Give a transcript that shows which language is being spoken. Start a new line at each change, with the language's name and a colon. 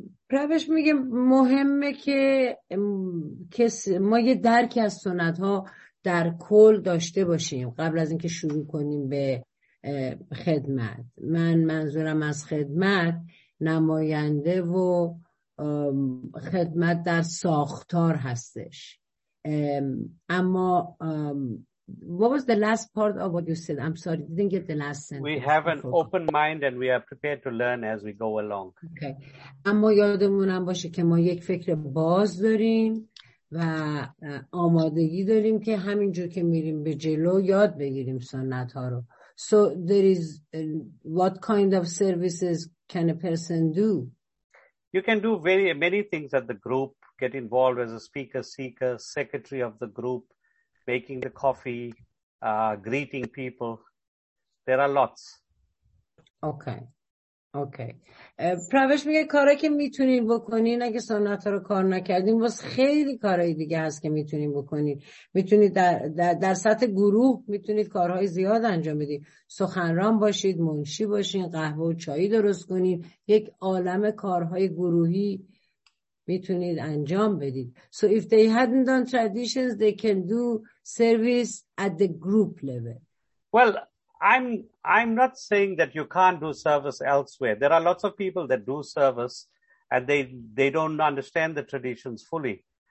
Persian: پروش میگه مهمه که ما یه درکی از سنت ها در کل داشته باشیم قبل از اینکه شروع کنیم به خدمت. من منظورم از خدمت نماینده و خدمت در ساختار هستش.
English: اما what was the last part of what you said? I'm sorry, didn't get the last sentence. We have an open mind and we are prepared to learn as we go along.
Persian: Okay. اما یادمون هم باشه که ما یک فکر باز داریم و آمادگی داریم که همینجور که میریم به جلو یاد بگیریم سنت ها رو.
English: So there is what kind of services can a person do? You can do very many things at the group. Get involved as a speaker, seeker, secretary of the group, making the coffee, greeting people. There are lots. Okay. Okay.
Persian: پروش میگه کارا که میتونین بکنین اگه سنت رو کار نکردین باز خیلی کارهای دیگه هست که میتونین بکنین. میتونید در سطح گروه میتونید کارهای زیاد انجام بدین. سخنران باشید، منشی باشین، قهوه و چای درست کنین، یک عالم کارهای گروهی میتونید انجام بدید.
English: So if they hadn't done traditions they can do service at the group level. Well, I'm not saying that you can't do service elsewhere. There are lots of people that do service and they don't understand the traditions fully.